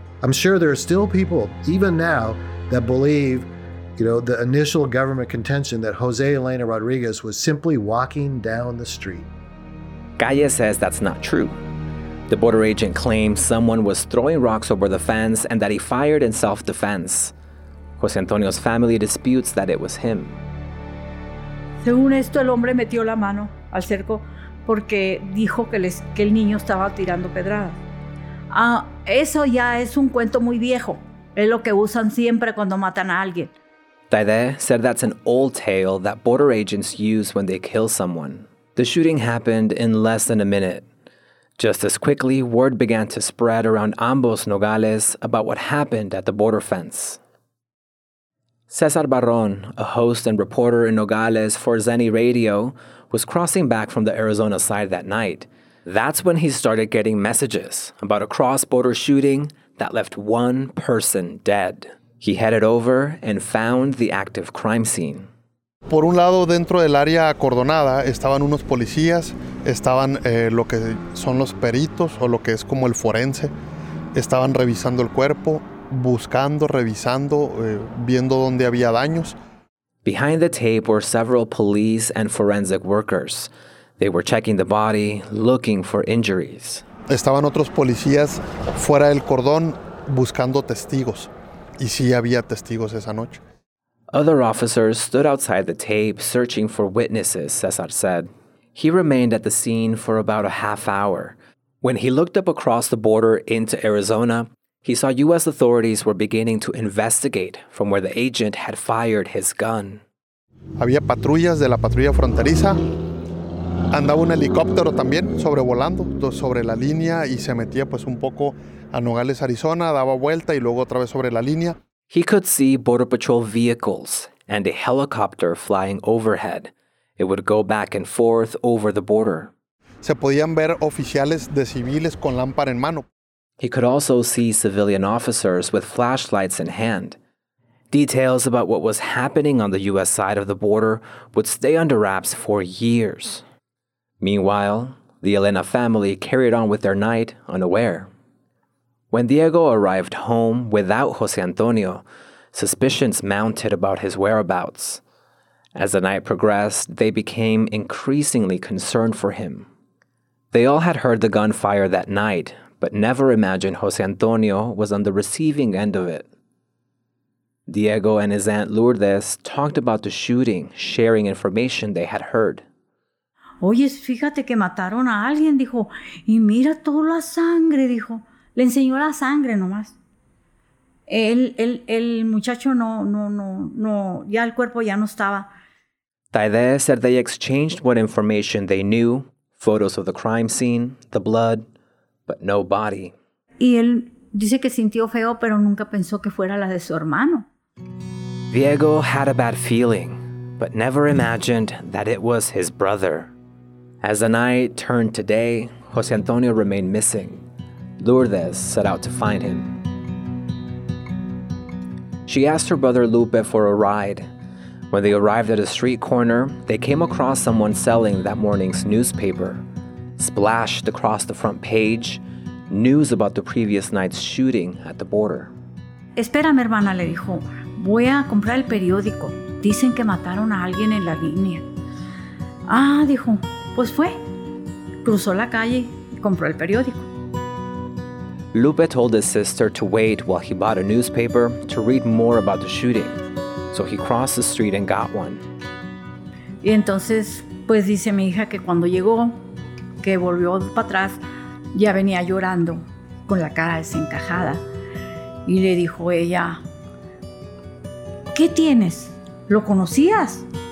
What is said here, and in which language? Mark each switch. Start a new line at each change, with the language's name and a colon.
English: I'm sure there are still people, even now, that believe, you know, the initial government contention that Jose Elena Rodriguez was simply walking down the street. Calle says that's not true. The border agent claimed someone was throwing rocks over the fence and that he fired in self-defense. Jose Antonio's family disputes that it was him.
Spanish: Según esto, el hombre metió la mano al cerco porque dijo que el niño estaba tirando pedradas. Eso ya es un cuento muy viejo. Es lo que usan siempre cuando matan a alguien.
English: Taide said that's an old tale that border agents use when they kill someone. The shooting happened in less than a minute. Just as quickly, word began to spread around ambos Nogales about what happened at the border fence. Cesar Barron, a host and reporter in Nogales for Zenny Radio, was crossing back from the Arizona side that night. That's when he started getting messages about a cross-border shooting that left one person dead. He headed over and found the active crime scene.
Spanish: Por un lado, dentro del área acordonada, estaban unos policías, estaban lo que son los peritos, o lo que es como el forense, estaban revisando el cuerpo, buscando, revisando, viendo dónde había daños.
English: Behind the tape were several police and forensic workers. They were checking the body, looking for injuries.
Spanish: Estaban otros policías fuera del cordón buscando testigos. Y sí había testigos esa noche.
English: Other officers stood outside the tape searching for witnesses, Cesar said. He remained at the scene for about a half hour. When he looked up across the border into Arizona, he saw U.S. authorities were beginning to investigate from where the agent had fired his gun.
Spanish: Había patrullas de la patrulla fronteriza. Andaba un helicóptero también sobrevolando sobre la línea y se metía pues un poco a Nogales, Arizona, daba vuelta y luego otra vez sobre la línea.
English: He could see Border Patrol vehicles and a helicopter flying overhead. It would go back and forth over the border.
Spanish: Se podían ver oficiales de civiles con lámpara en mano.
English: He could also see civilian officers with flashlights in hand. Details about what was happening on the U.S. side of the border would stay under wraps for years. Meanwhile, the Elena family carried on with their night unaware. When Diego arrived home without Jose Antonio, suspicions mounted about his whereabouts. As the night progressed, they became increasingly concerned for him. They all had heard the gunfire that night, but never imagined Jose Antonio was on the receiving end of it. Diego and his aunt Lourdes talked about the shooting, sharing information they had heard.
Spanish: Oye, fíjate que mataron a alguien, dijo, y mira toda la sangre, dijo. Le enseñó la sangre nomás. El muchacho no, ya el cuerpo ya no estaba.
English: Taide said they exchanged what information they knew, photos of the crime scene, the blood, but no body.
Spanish: Y él dice que sintió feo, pero nunca pensó que fuera la de su hermano.
English: Diego had a bad feeling, but never imagined that it was his brother. As the night turned to day, Jose Antonio remained missing. Lourdes set out to find him. She asked her brother Lupe for a ride. When they arrived at a street corner, they came across someone selling that morning's newspaper. Splashed across the front page, news about the previous night's shooting at the border.
Spanish: Espérame, hermana, le dijo. Voy a comprar el periódico. Dicen que mataron a alguien en la línea. Ah, dijo. Pues fue. Cruzó la calle y compró el periódico.
English: Lupe told his sister to wait while he bought a newspaper to read more about the shooting. So he crossed the street and got one.
Spanish: Y entonces, pues dice mi hija que cuando llegó, que volvió para atrás, ya venía llorando con la cara desencajada. Y le dijo ella, ¿qué tienes? ¿Lo conocías?